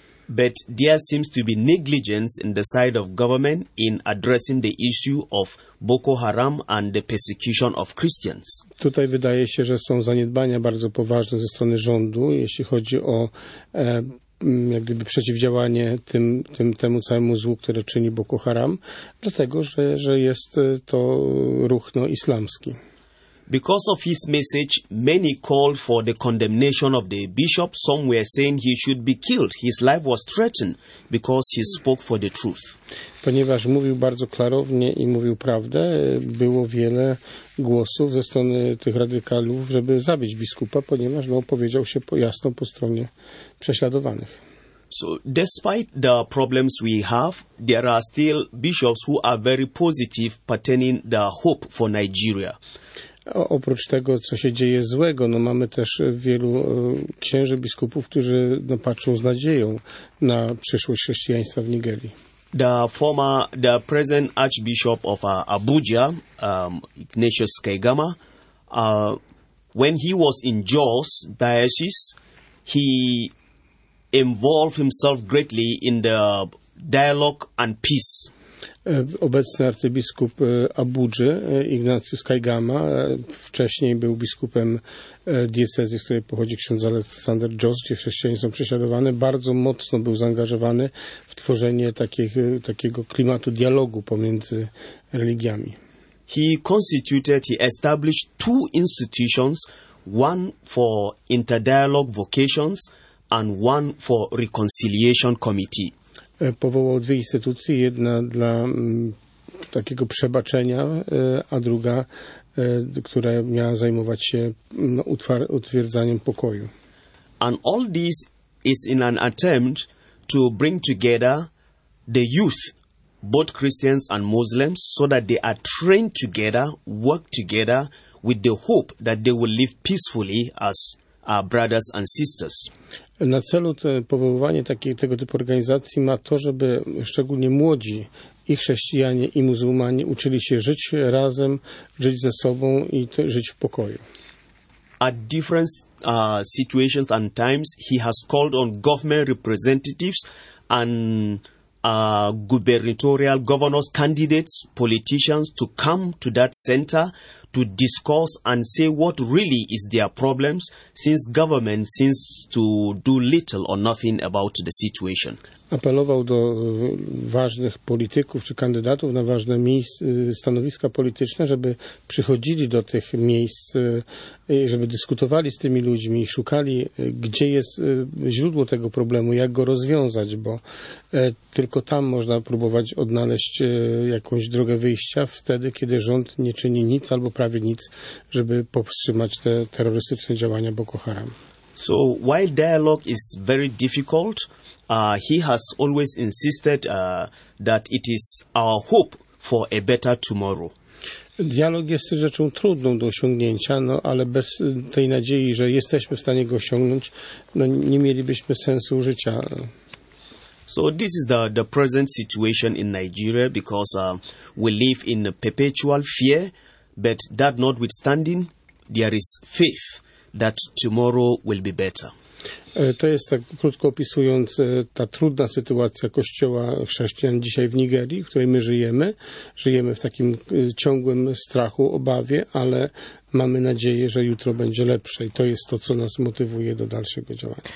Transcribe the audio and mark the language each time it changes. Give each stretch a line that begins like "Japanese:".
English: But there seems to be negligence in the side of government in addressing the issue of Boko Haram and the persecution of Christians.
Polish: Tutaj wydaje się, że są zaniedbania bardzo poważne ze strony rządu, jeśli chodzi o jak gdyby przeciwdziałanie temu całemu złu, które czyni Boko Haram, dlatego że jest to ruch islamski.
English: Because of his message, many called for the condemnation of the bishop. Some were saying he should be killed. His life was threatened because he spoke for the truth.
Polish: Ponieważ mówił bardzo klarownie i mówił prawdę, było wiele głosów ze strony tych radykalów, żeby zabić biskupa, ponieważ opowiedział się jasno po stronie prześladowanych.
English: So despite the problems we have, there are still bishops who are very positive pertaining the hope for Nigeria.
Polish: Oprócz tego, co się dzieje złego, mamy też wielu księży, biskupów, którzy patrzą z nadzieją na przyszłość chrześcijaństwa w Nigerii.
English: The present Archbishop of Abuja, Ignatius Kaigama, when he was in Jos Diocese, he involved himself greatly in the dialogue and peace.
Polish: Obecny arcybiskup Abudży, Ignatius Kaigama, wcześniej był biskupem diecezji, z której pochodzi ksiądz Aleksander Jos, gdzie chrześcijanie są prześladowane, bardzo mocno był zaangażowany w tworzenie takiego klimatu dialogu pomiędzy religiami.
English: He established two institutions, one for interdialogue vocations and one for reconciliation committee.
Polish: Powołał dwie instytucje, jedna dla takiego przebaczenia, a druga, która miała zajmować się utwierdzaniem pokoju.
English: And all this is in an attempt to bring together the youth both Christians and Muslims, so that they are trained together, work together, with the hope that they will live peacefully as our brothers and sisters.
Polish: Na celu to powoływanie tego typu organizacji ma to, żeby szczególnie młodzi i chrześcijanie i muzułmanie uczyli się żyć razem, żyć ze sobą i żyć w pokoju.
English: At different situations and times, he has called on government representatives and gubernatorial governors, candidates, politicians to come to that center to discuss and say what really is their problems, since government seems to do little or nothing about the situation.
Polish: Apelował do ważnych polityków czy kandydatów na ważne stanowiska polityczne, żeby przychodzili do tych miejsc, żeby dyskutowali z tymi ludźmi i szukali, gdzie jest źródło tego problemu, jak go rozwiązać, bo tylko tam można próbować odnaleźć jakąś drogę wyjścia wtedy, kiedy rząd nie czyni nic albo prawie nic, żeby powstrzymać te terrorystyczne działania Boko Haram.
English: So while dialogue is very difficult, he has always insisted that it is our hope for a better tomorrow.
Polish: Dialog jest rzeczą trudną do osiągnięcia, no ale bez tej nadziei, że jesteśmy w stanie go osiągnąć, no nie mielibyśmy sensu życia.
English: So this is the present situation in Nigeria, because we live in a perpetual fear, but that notwithstanding, there is faith that tomorrow will be better.
Polish: To jest tak krótko opisując ta trudna sytuacja kościoła chrześcijan dzisiaj w Nigerii, w której my żyjemy. Żyjemy w takim ciągłym strachu, obawie, ale mamy nadzieję, że jutro będzie lepsze i to jest to, co nas motywuje do dalszego działania.